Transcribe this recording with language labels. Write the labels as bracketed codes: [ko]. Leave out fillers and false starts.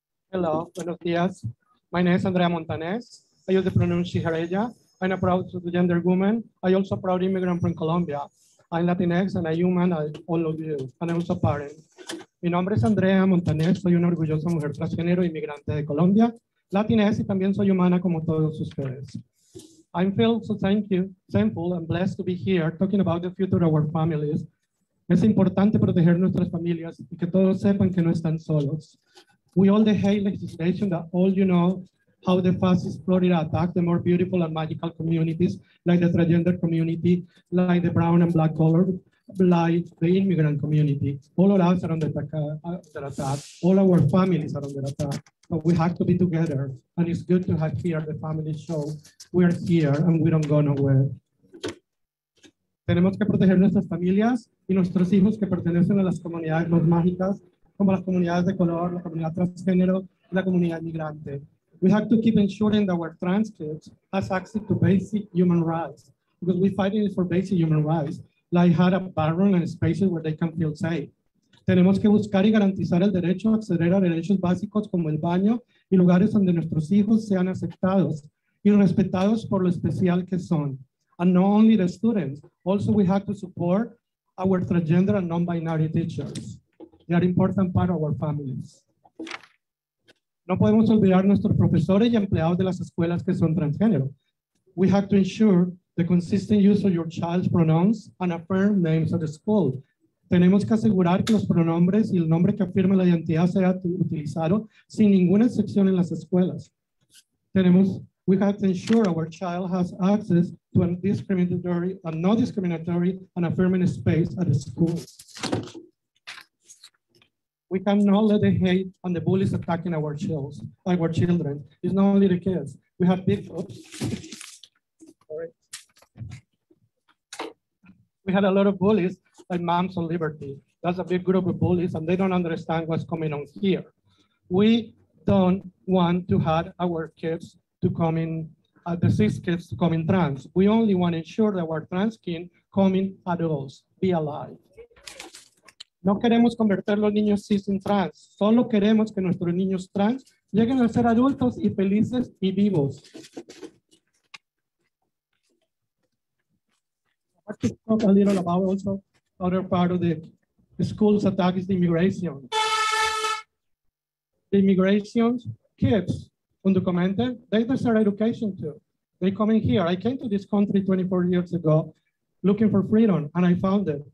[en] Hello, [es] buenos dias. [en] My name is Andrea Montanez. I use the pronoun she, her, ella. I'm a proud transgender woman. I also a proud immigrant from Colombia. I'm Latinx and a human, all of you, and I'm also a parent. [es] Mi nombre es Andrea Montanez, soy una orgullosa mujer transgénero inmigrante de Colombia, latinx, y también soy humana como todos ustedes. [en] I feel so thankful and blessed to be here talking about the future of our families. [es] Es importante proteger nuestras familias y que todos sepan que no están solos. [en] We all the hate legislation that all you know how the fascist Florida attacked the more beautiful and magical communities like the transgender community, like the brown and black color, like the immigrant community. All of us are under attack. All our families are under attack. But we have to be together. And it's good to have here the family show. We're here and we don't go nowhere. [es] Tenemos que proteger nuestras familias y nuestros hijos que pertenecen a las comunidades más mágicas, como las comunidades de color, la comunidad transgénero, la comunidad migrante. [en] We have to keep ensuring that our trans kids has access to basic human rights, because we're fighting for basic human rights, like had a bathroom and spaces where they can feel safe. [es] Tenemos que buscar y garantizar el derecho a acceder a derechos básicos como el baño y lugares donde nuestros hijos sean aceptados y respetados por lo especial que son. [en] And not only the students, also we have to support our transgender and non-binary teachers. They are important part of our families. [es] No podemos olvidar nuestros profesores y empleados de las escuelas que son transgénero. [en] We have to ensure the consistent use of your child's pronouns and affirm names at the school. [es] Tenemos que asegurar que los pronombres y el nombre que afirma la identidad sea utilizado sin ninguna excepción en las escuelas. [en] We have to ensure our child has access to a discriminatory and not discriminatory and affirming space at the school. We cannot let the hate and the bullies attacking our children. It's not only the kids. We have big folks. We had a lot of bullies like Moms on Liberty. That's a big group of bullies and they don't understand what's coming on here. We don't want to have our kids to come in, the cis kids to come in trans. We only want to ensure that our trans kin come in adults, be alive. [es] No queremos convertir los niños cis en trans. Solo queremos que nuestros niños trans lleguen a ser adultos y felices y vivos. [en] I want to talk a little about also other part of the school's attack is the immigration. The immigration kids, undocumented, they deserve education too. They come in here. I came to this country 24 years ago looking for freedom, and I found it.